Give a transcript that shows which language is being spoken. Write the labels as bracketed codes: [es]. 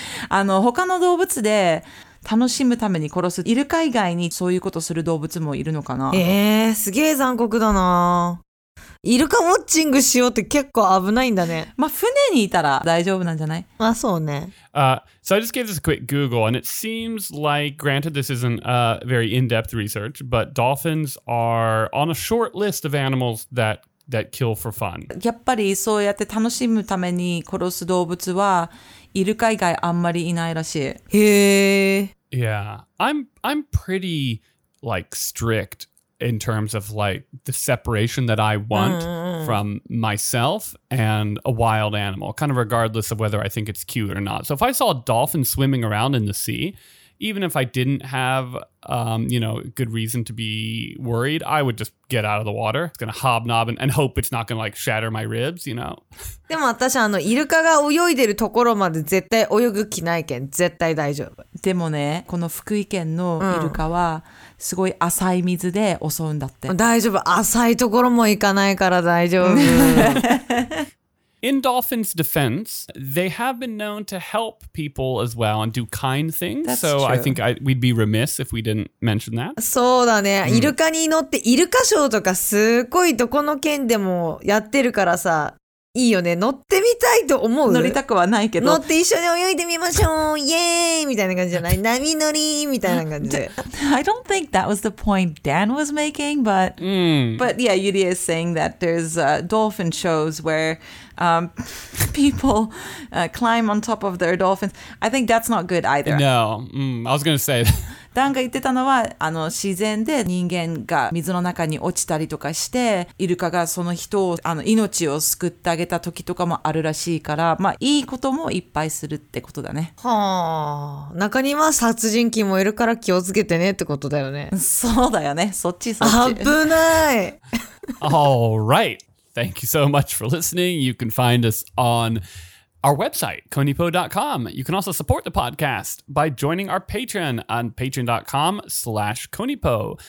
[ja] 他の動物で楽しむために殺すイルカ以外にそういうことする動物もいるのかな。すげえ残酷だな。イルカウォッチングしようって結構危ないんだね。まあ船にいたら大丈夫なんじゃない？まあそうね。 [en] So I just gave this a quick Google, and it seems like, granted, this isn't very in-depth research, but dolphins are on a short list of animals that kill for fun. [ja] やっぱりそうやって楽しむために殺す動物はイルカ以外あんまりいないらしい。へえ。 [en] Yeah, I'm pretty like strict. In terms of like the separation that I want from myself and a wild animal, kind of regardless of whether I think it's cute or not. So if I saw a dolphin swimming around in the sea, even if I didn't have, good reason to be worried, I would just get out of the water. It's going to hobnob and hope it's not going to like shatter my ribs, you know? [ja] でも私あのイルカが泳いでるところまで絶対泳ぐ気ないけん、絶対大丈夫。でもね、この福井県のイルカは、すごい浅い水で襲うんだって。大丈夫。浅いところも行かないから大丈夫。 [en] In dolphins' defense, they have been known to help people as well and do kind things. That's so true. I think we'd be remiss if we didn't mention that. [ja] そうだね。イルカに乗ってイルカショーとかすごいどこの県でもやってるからさ。いいよね。乗ってみたいと思う。乗りたくはないけど。乗って一緒に泳いでみましょう。イエーイみたいな感じじゃない。波乗りみたいな感じ。 [en] I don't think that was the point Dan was making, but but yeah, Yuri is saying that there's dolphin shows where people climb on top of their dolphins. I think that's not good either. No, I was gonna say that. [ja] ダンが言ってたのは、あの自然で人間が水の中に落ちたりとかして、イルカがその人をあの命を救ってあげた時とかもあるらしいから、まあいいこともいっぱいするってことだね。はあ、中には殺人鬼もいるから気をつけてねってことだよね。そうだよね、そっちそっち。危ない。 [en] All right, thank you so much for listening. You can find us on. Our website, konnichiwa.com. You can also support the podcast by joining our Patreon on patreon.com/konnichiwa.